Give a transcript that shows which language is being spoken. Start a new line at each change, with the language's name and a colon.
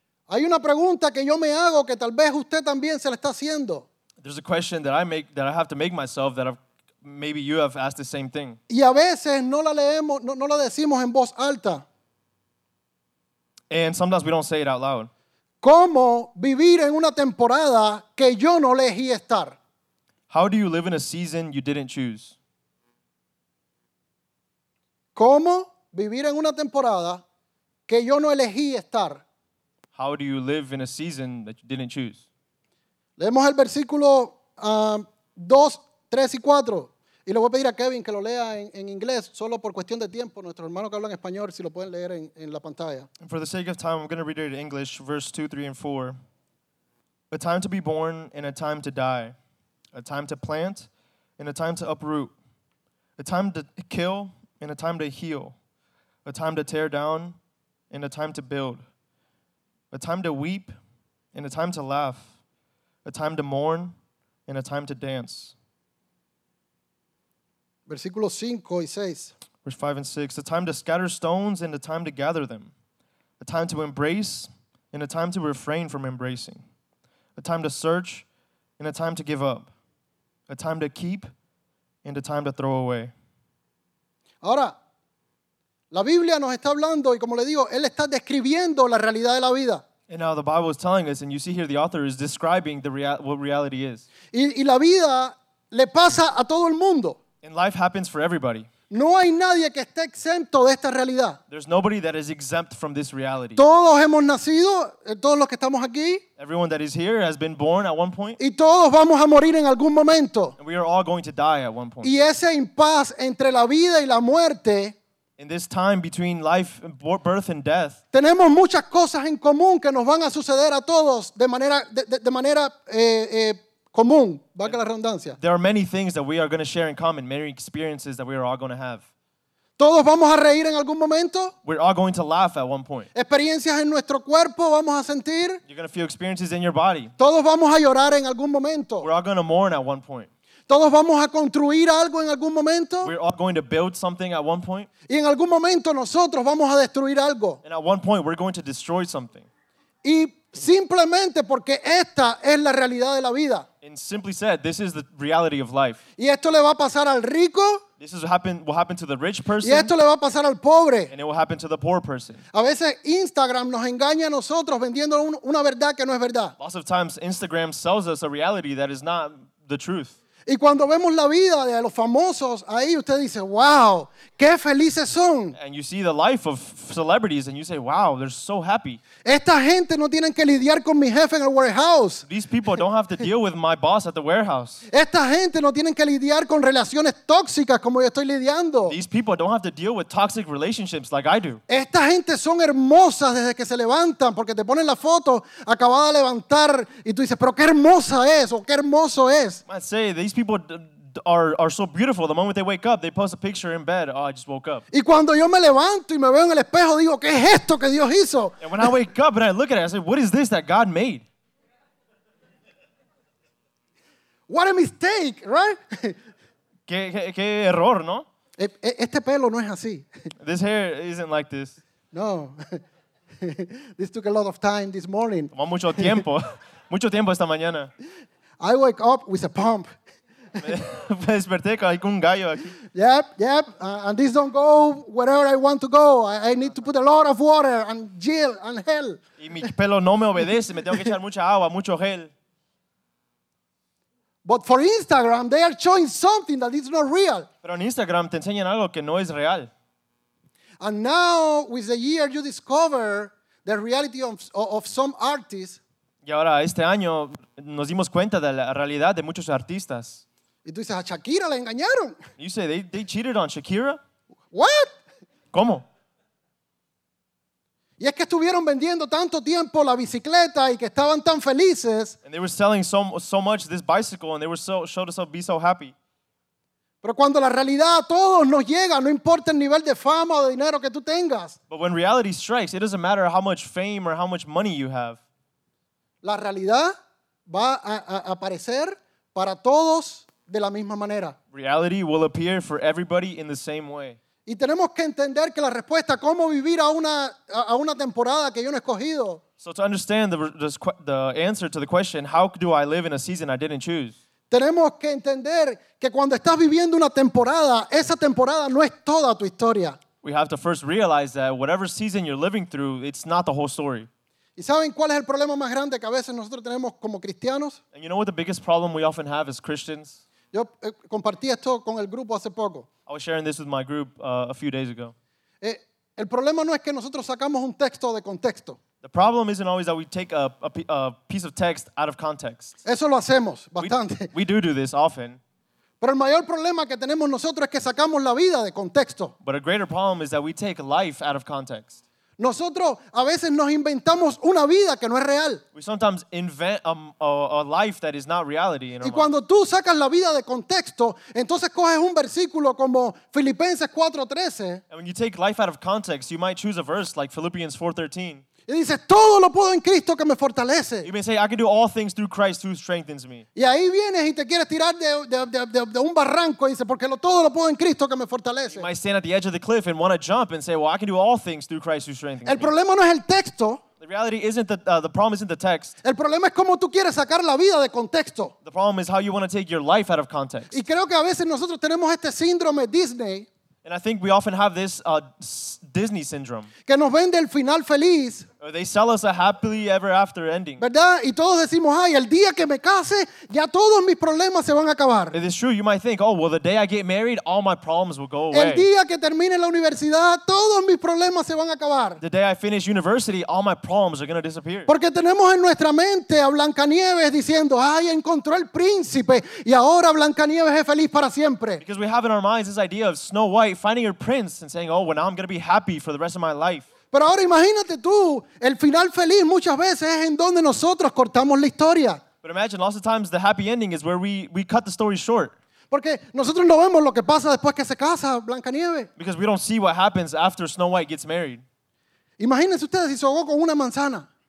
Spanish: Hay una pregunta que yo me hago que tal vez usted también se la está haciendo.
English: There's a question that I have to make myself that maybe you have asked the same thing.
Spanish: Y a veces no la leemos, no la decimos en voz alta.
English: And sometimes we don't say it out loud.
Spanish: ¿Cómo vivir en una temporada que yo no elegí estar?
English: How do you live in a season you didn't choose?
Spanish: ¿Cómo vivir en una temporada que yo no elegí estar?
English: How do you live in a season that you didn't choose?
Spanish: Leemos el versículo 2, 3 y 4. Y le voy a pedir a Kevin que lo lea en inglés, solo por cuestión de tiempo. Nuestro hermano que habla en español, si lo pueden leer en la pantalla.
English: And for the sake of time, I'm going to read it in English, verse 2, 3, and 4. A time to be born and a time to die. A time to plant and a time to uproot. A time to kill and a time to heal. A time to tear down and a time to build. A time to weep and a time to laugh. A time to mourn and a time to dance.
Spanish: Versículo 5 y 6.
English: Verse 5 and 6. A time to scatter stones and a time to gather them. A time to embrace and a time to refrain from embracing. A time to search and a time to give up. A time to keep and a time to throw away.
Spanish: Ahora, la Biblia nos está hablando y como le digo, él está describiendo la realidad de la vida.
English: And now the Bible is telling us, and you see here the author is describing what reality is.
Spanish: Y la vida le pasa a todo el mundo.
English: And life happens for everybody.
Spanish: No hay nadie que esté exento de esta realidad.
English: There's nobody that is exempt from this reality.
Spanish: Todos hemos nacido, todos los que estamos aquí.
English: Everyone that is here has been born at one point.
Spanish: Y todos vamos a morir en algún momento.
English: And we are all going to die at one point.
Spanish: Y ese impasse entre la vida y la muerte.
English: In this time between life, birth and death.
Spanish: Tenemos muchas cosas en común que nos van a suceder a todos de manera común, valga la redundancia.
English: There are many things that we are going to share in common, many experiences that we are all going to have.
Spanish: Todos vamos a reír en algún momento.
English: We're all going to laugh at one point.
Spanish: Experiencias en nuestro cuerpo vamos a sentir.
English: You're going to feel experiences in your body.
Spanish: Todos vamos a llorar en algún momento.
English: We're all going to mourn at one point.
Spanish: Todos vamos a construir algo en algún momento.
English: We're all going to build something at one point.
Spanish: Y en algún momento nosotros vamos a destruir algo.
English: And at one point we're going to destroy something.
Spanish: Y simplemente porque esta es la realidad de la vida.
English: And simply said, this is the reality of life.
Spanish: Y esto le va a pasar al rico.
English: This is what happen to the rich person.
Spanish: Y esto le va a pasar al pobre.
English: And it will happen to the poor person.
Spanish: A veces Instagram nos engaña a nosotros vendiendo una verdad que no es verdad.
English: Lots of times Instagram sells us a reality that is not the truth.
Spanish: Y cuando vemos la vida de los famosos, ahí usted dice, wow, qué felices son.
English: And you see the life of celebrities and you say, wow, they're so happy.
Spanish: Esta gente no tienen que lidiar con mi jefe en el warehouse.
English: These people don't have to deal with my boss at the warehouse.
Spanish: Esta gente no tienen que lidiar con relaciones tóxicas como yo estoy lidiando.
English: These people don't have to deal with toxic relationships like I do.
Spanish: Esta gente son hermosas desde que se levantan porque te ponen la foto acabada de levantar y tú dices, pero qué hermosa es o qué hermoso es.
English: I say, these people are so beautiful. The moment they wake up, they post a picture in bed. Oh, I just woke up.
Spanish: Y cuando yo me levanto y me veo en el espejo, digo, ¿qué es esto que Dios hizo?
English: And when I wake up and I look at it, I say, what is this that God made? What a mistake, right?
Spanish: ¿Qué error, no? Este pelo no es así.
English: This hair isn't like this. No. This took a lot of time this morning.
Spanish: Tomó mucho tiempo. Mucho tiempo esta mañana.
English: I wake up with a pump.
Spanish: Me desperté con un gallo aquí.
English: Yep, and this don't go wherever I want to go. I need to put a lot of water and gel and gel.
Spanish: Y mi pelo no me obedece, me tengo que echar mucha agua, mucho gel.
English: But for Instagram, they are showing something that is not real.
Spanish: Pero en Instagram te enseñan algo que no es real.
English: And now, with the year, you discover the reality of some artists.
Spanish: Y ahora, este año, nos dimos cuenta de la realidad de muchos artistas. Y tú dices, a Shakira la engañaron.
English: You say, they cheated on Shakira? What?
Spanish: ¿Cómo? Y es que estuvieron vendiendo tanto tiempo la bicicleta y que estaban tan felices.
English: And they were selling so much this bicycle and they were showed us to be so happy.
Spanish: Pero cuando la realidad a todos nos llega, no importa el nivel de fama o de dinero que tú tengas.
English: But when reality strikes, it doesn't matter how much fame or how much money you have.
Spanish: La realidad va a aparecer para todos de la misma manera.
English: Reality will appear for everybody in the same way.
Spanish: Y tenemos que entender que la respuesta a cómo vivir a una temporada que yo no he escogido.
English: So to understand the answer to the question, how do I live in a season I didn't choose?
Spanish: Tenemos que entender que cuando estás viviendo una temporada, esa temporada no es toda tu historia.
English: We have to first realize that whatever season you're living through, it's not the whole story.
Spanish: ¿Y saben cuál es el problema más grande que a veces nosotros tenemos como cristianos?
English: And you know what the biggest problem we often have as Christians?
Spanish: Yo compartí esto con el grupo hace poco.
English: I was sharing this with my group a few days ago.
Spanish: El problema no es que nosotros sacamos un texto de contexto.
English: The problem isn't always that we take a piece of text out of context.
Spanish: Eso lo hacemos bastante.
English: We do this often.
Spanish: Pero el mayor problema que tenemos nosotros es que sacamos la vida de contexto.
English: But a greater problem is that we take life out of context.
Spanish: Nosotros a veces nos inventamos una vida que no es real.
English: We sometimes invent a life that is not reality.
Spanish: Y cuando tú sacas la vida de contexto, entonces coges un versículo como Filipenses 4:13.
English: And when you take life out of context, you might choose a verse like Philippians 4:13.
Spanish: Y dice, todo lo puedo en Cristo que me fortalece.
English: You may say, I can do all things through Christ who strengthens me.
Spanish: Y ahí vienes y te quieres tirar de un barranco y dice, porque todo lo puedo en Cristo que me fortalece.
English: You might stand at the edge of the cliff and want to jump and say, well, I can do all things through Christ who strengthens me.
Spanish: El problema no es el texto.
English: The reality isn't the problem isn't the text.
Spanish: El problema es cómo tú quieres sacar la vida de contexto.
English: The problem is how you want to take your life out of context.
Spanish: Y creo que a veces nosotros tenemos este síndrome Disney.
English: And I think we often have this Disney syndrome.
Spanish: Que nos vende el final feliz.
English: Or they sell us a happily ever after ending.
Spanish: ¿Verdad? Y todos decimos, ay, el día que me case, ya todos mis problemas se van a acabar.
English: It is true, you might think, oh, well, the day I get married, all my problems will go away.
Spanish: El día que termine la universidad, todos mis problemas se van a acabar.
English: The day I finish university, all my problems are going to disappear.
Spanish: Porque tenemos en nuestra mente a Blancanieves diciendo, ay, encontró el príncipe, y ahora Blancanieves es feliz para siempre.
English: Because we have in our minds this idea of Snow White finding her prince and saying, oh, well, now I'm going to be happy for the rest of my life.
Spanish: Pero ahora imagínate tú, el final feliz muchas veces es en donde nosotros cortamos la historia.
English: But imagine, lots of times the happy ending is where we cut the story short.
Spanish: Porque nosotros no vemos lo que pasa después que se casa Blancanieves.
English: Because we don't see what happens after Snow White gets married.
Spanish: Imagínense ustedes si se ahogó con una manzana.